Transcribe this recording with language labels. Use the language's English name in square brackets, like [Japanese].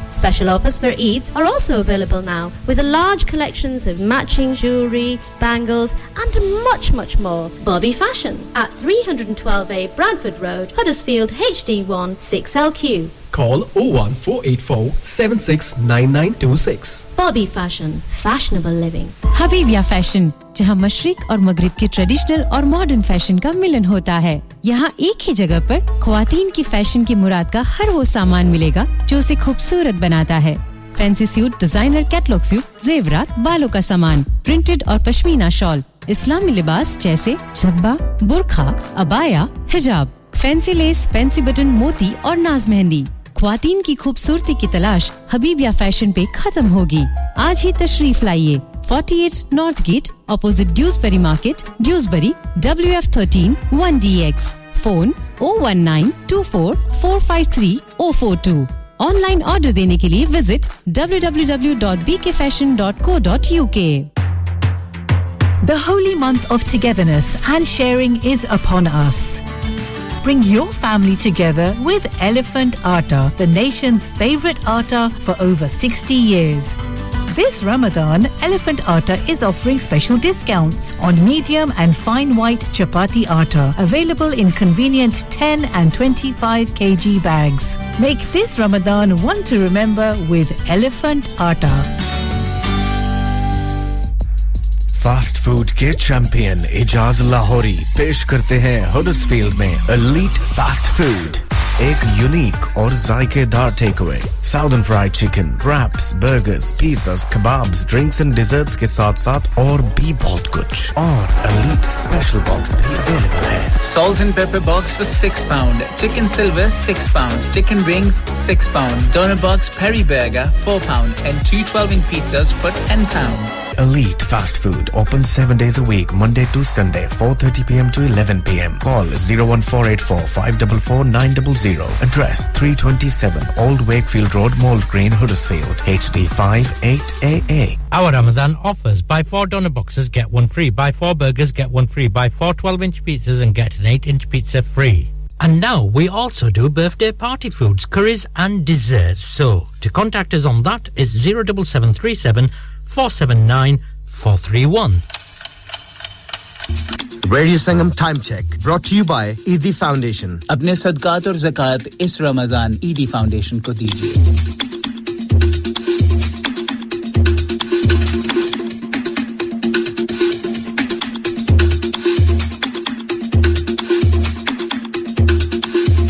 [English] Special offers for Eids are also available now with a large collections of matching jewellery, bangles and much, much more. Bobby Fashion at 312A Bradford Road, Huddersfield, HD1 6LQ. Call 01484 769926. Bobby Fashion, fashionable living. [Hindi] Habibia Fashion, जहां मशरिक और मगरिब के traditional और modern fashion का मिलन होता है. यहां एक ही जगह पर ख्वातीन की फैशन की मुराद का हर वो सामान मिलेगा जो उसे खूबसूरत बनाता है. Fancy suit, designer catalogue suit, जेवरात, बालों का सामान, प्रिंटेड और पश्मीना शॉल, इस्लामी लिबास जैसे जब्बा, बुरखा, अबाया, हिजाब, फैंसी लेस, फैंसी बटन, मोती और नाज मेहंदी. ख्वातीन की खूबसूरती की तलाश हबीबिया फैशन पे खत्म होगी. आज ही तशरीफ लाइए 48 north gate opposite Dewsbury market, Dewsbury WF13 1DX. Phone 01924453042. Online order देने के लिए visit www.bkfashion.co.uk. [English] The holy month of togetherness and sharing is upon us. Bring your family together with Elephant Atta, the nation's favorite atta for over 60 years. This Ramadan, Elephant Atta is offering special discounts on medium and fine white chapati atta, available in convenient 10 and 25 kg bags. Make this Ramadan one to remember with Elephant Atta. [Hindi] Fast food के champion Ijaz Lahori पेश करते हैं Huddersfield में elite fast food. एक unique और जायकेदार take away, southern fried chicken, raps, burgers, pizzas, kebabs, drinks and desserts के साथ साथ और भी बहुत कुछ. और एलीट स्पेशल बॉक्स भी अवेलेबल है. [English] Salt and pepper box for £6, chicken silver £6, chicken rings £6, doner box peri burger £4 and 2 12 inch pizzas for £10. Elite Fast Food opens 7 days a week, Monday to Sunday, 4:30 p.m. to 11 p.m. Call 01484-544-900. Address 327 Old Wakefield Road, Mould Green, Huddersfield, HD58AA. Our Ramadan offers: buy 4 doner boxes, get 1 free. Buy 4 burgers, get 1 free. Buy 4 12-inch pizzas and get an 8-inch pizza free. And now we also do birthday party foods, curries and desserts. So, to contact us on that is 07737 479 431. Radio Sangam Time Check, brought to you by Eidi Foundation. [Hindi] अपने सदकात और ज़कात इस Ramzan Eidi Foundation को दीजिए. [English] We'll be right back.